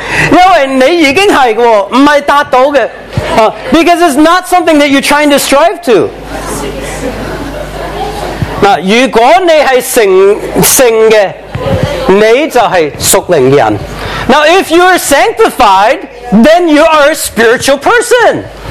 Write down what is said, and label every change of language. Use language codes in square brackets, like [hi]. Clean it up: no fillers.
[zh] 因为你已经是,不是达到的。 [en] Because it's not something that you're trying to strive to. [zh] 如果你是成圣的，你就是属灵的人。 [en] Now if you are sanctified, then you are a spiritual person.